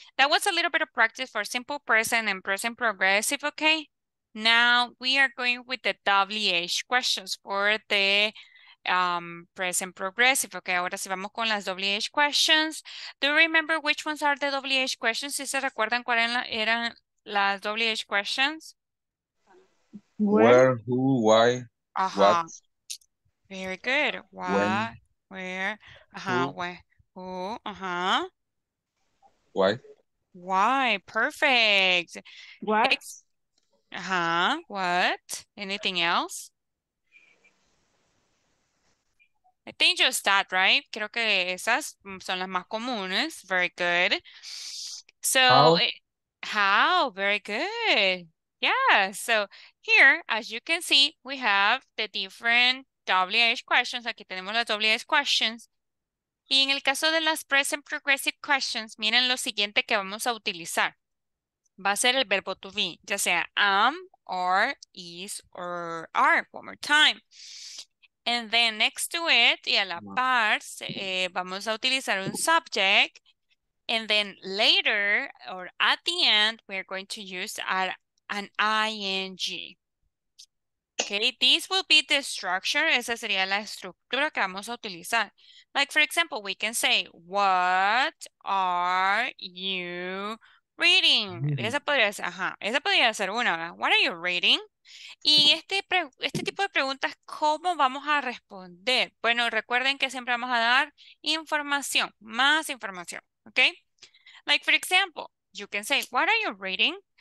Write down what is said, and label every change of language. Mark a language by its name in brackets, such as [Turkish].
[English] That was a little bit of practice for simple present and present progressive, okay? Now we are going with the WH questions for the present progressive, okay? [Spanish] Ahora sí vamos con las WH questions. [English] Do you remember which ones are the WH questions? [Spanish] ¿Sí se recuerdan cuáles eran las WH questions? [English] Where, who, why, what? Very good. What, where, who, why, perfect. What? What? Anything else? I think just that, right? [Spanish] Creo que esas son las más comunes. [English] Very good. So, how? Very good. Yeah, so here, as you can see, we have the different WH questions. [Spanish] Aquí tenemos las WH questions. Y en el caso de las present progressive questions, miren lo siguiente que vamos a utilizar. Va a ser el verbo to be, ya sea am, or is, or are. [English] One more time. And then next to it, [Spanish] y a la par, vamos a utilizar un subject. [English] And then later, or at the end, we're going to use an ing. Okay, this will be the structure. [Spanish] Esa sería la estructura que vamos a utilizar. [English] Like, for example, we can say, what are you reading? [Spanish] Esa podría ser, esa podría ser una, ¿verdad? [English] What are you reading? [Spanish] Y este tipo de preguntas, ¿cómo vamos a responder? Bueno, recuerden que siempre vamos a dar información, más información, okay? [English] Like, for example, you can say, what are you reading?